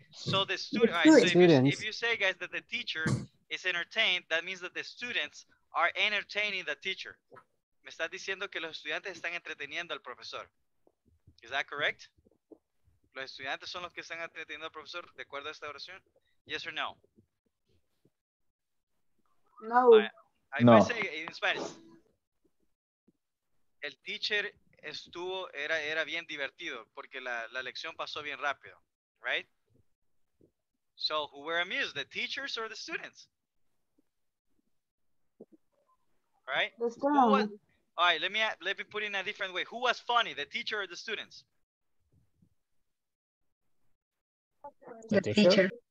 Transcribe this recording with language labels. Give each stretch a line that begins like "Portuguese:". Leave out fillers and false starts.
English: So the student, right, so if you say, guys, that the teacher is entertained, that means that the students are entertaining the teacher.
Spanish: Me estás diciendo que los estudiantes están entreteniendo al profesor.
English: Is that correct?
Spanish: Los estudiantes son los que están entreteniendo al profesor, de acuerdo a esta oración?
English: Yes or no? No. I no.
Spanish: Say, el teacher estuvo, era bien divertido porque la lección pasó bien rápido, right?
English: So, who were amused, the teachers or the students? Right? The students. All right, let me put it in a different way. Who was funny, the teacher or the students? The teacher